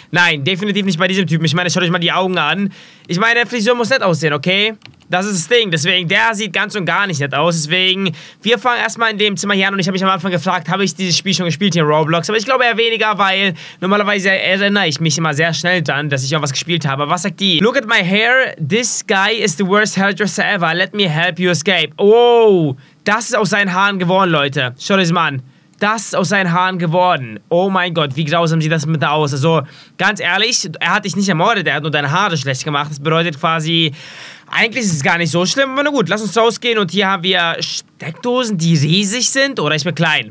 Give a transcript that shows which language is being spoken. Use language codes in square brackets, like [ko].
[de] Nein, definitiv nicht bei diesem Typen. Ich meine, schaut euch mal die Augen an. Ich meine, der Friseur muss nett aussehen, okay? Das ist das Ding. Deswegen, der sieht ganz und gar nicht nett aus. Deswegen, wir fangen erstmal in dem Zimmer hier an. Und ich habe mich am Anfang gefragt, habe ich dieses Spiel schon gespielt hier in Roblox? Aber ich glaube eher weniger, weil normalerweise erinnere ich mich immer sehr schnell dann, dass ich auch was gespielt habe. Was sagt die? [en] Look at my hair. This guy is the worst hairdresser ever. Let me help you escape. [de] Oh, das ist aus seinen Haaren geworden, Leute. Schaut euch mal an. Das ist aus seinen Haaren geworden. Oh mein Gott, wie grausam sieht das mit da aus. Also, ganz ehrlich, er hat dich nicht ermordet. Er hat nur deine Haare schlecht gemacht. Das bedeutet quasi... Eigentlich ist es gar nicht so schlimm, aber na gut, lass uns rausgehen und hier haben wir Steckdosen, die riesig sind. Oder ich bin klein.